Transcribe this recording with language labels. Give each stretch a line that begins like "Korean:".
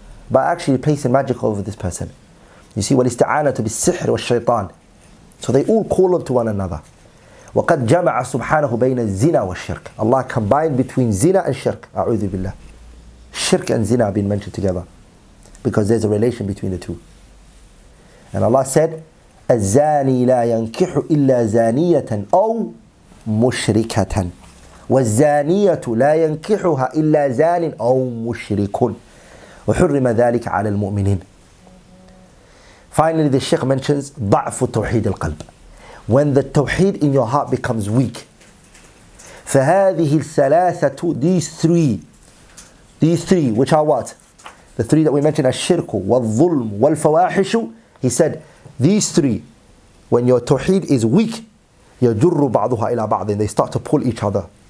English: By actually placing magic over this person. You see,
Arabic: وَالِاسْتِعَانَةُ بِالسِّحْرِ وَالشَّيْطَانِ.
English: So they all call onto one another.
Arabic: وَقَدْ جَمَعَ سُبْحَانَهُ بَيْنَ الزِّنَا وَالشِّرْكِ.
English: Allah combined between zina and shirk.
Arabic: أعوذ بالله.
English: Shirk and zina have been mentioned together, because there's a relation between the two. And Allah said,
Arabic: الزاني لا ينكح إلا زانية أو مشركة, والزانية لا ينكحها إلا زان أو مشرك, وحرم ذلك على المؤمنين.
English: Finally, the Shaykh mentions
Arabic: ضعف توحيد القلب.
English: When the tawheed in your heart becomes weak,
Arabic: فهذه الثلاثة,
English: these three, which are what? The three that we mentioned are
Arabic: الشرك والظلم والفواحش.
English: He said, these three, when your tawheed is weak,
Arabic: يَجُرُّ بَعْضُهَا إِلَى بَعْضٍ,
English: they start to pull each other.